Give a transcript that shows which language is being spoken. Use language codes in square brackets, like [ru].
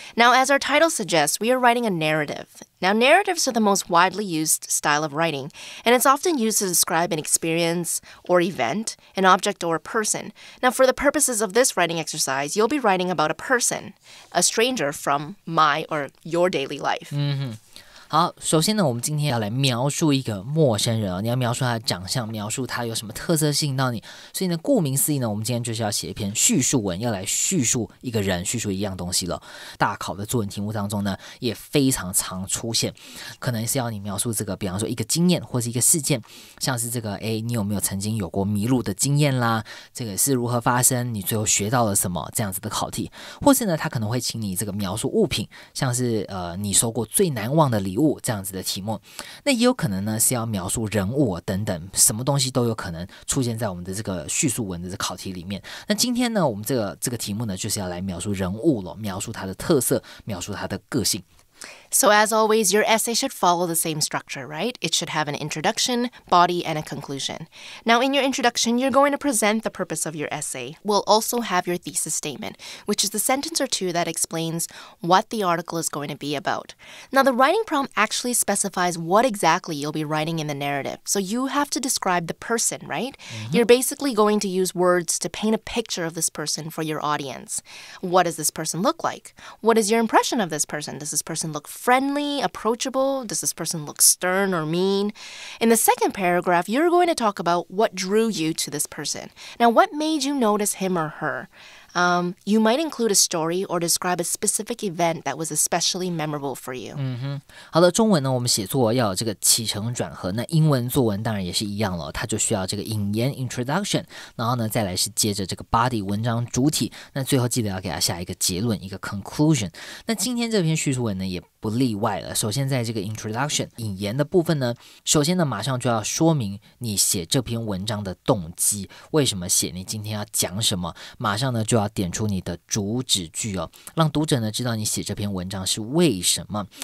[en] Now, as our title suggests, we are writing a narrative. Now, narratives are the most widely used style of writing, and it's often used to describe an experience or event, an object or a person. Now, for the purposes of this writing exercise, you'll be writing about a person, a stranger from my or your daily life. Mm-hmm. [zh] 好，首先呢，我们今天要来描述一个陌生人，你要描述他的长相，描述他有什么特色吸引到你。所以呢，顾名思义呢，我们今天就是要写一篇叙述文，要来叙述一个人，叙述一样东西了。大考的作文题目当中呢，也非常常出现，可能是要你描述这个，比方说一个经验或是一个事件，像是这个，哎，你有没有曾经有过迷路的经验啦？这个是如何发生？你最后学到了什么？这样子的考题，或是呢，他可能会请你这个描述物品，像是你收过最难忘的礼物这样子的题目。那也有可能呢是要描述人物等等，什么东西都有可能出现在我们的这个叙述文的考题里面。那今天呢，我们这个题目呢，就是要来描述人物了，描述他的特色，描述他的个性。 [en] So as always, your essay should follow the same structure, right? It should have an introduction, body, and a conclusion. Now, in your introduction, you're going to present the purpose of your essay. We'll also have your thesis statement, which is the sentence or two that explains what the article is going to be about. Now, the writing prompt actually specifies what exactly you'll be writing in the narrative. So you have to describe the person, right? Mm-hmm. You're basically going to use words to paint a picture of this person for your audience. What does this person look like? What is your impression of this person? Does this person look friendly, approachable? Does this person look stern or mean? In the second paragraph, you're going to talk about what drew you to this person. Now, what made you notice him or her? You might include a story or describe a specific event that was especially memorable for you. [zh] 嗯哼，好的，中文呢，我们写作要有这个起承转合。那英文作文当然也是一样了，它就需要这个引言 introduction， 然后呢，再来是接着这个 body 文章主体，那最后记得要给它下一个结论，一个 conclusion。那今天这篇叙述文呢，也不例外了。首先在这个 introduction 引言的部分呢，首先呢，马上就要说明你写这篇文章的动机，为什么写，你今天要讲什么，马上呢就要点出你的主旨句哦，让读者呢知道你写这篇文章是为什么。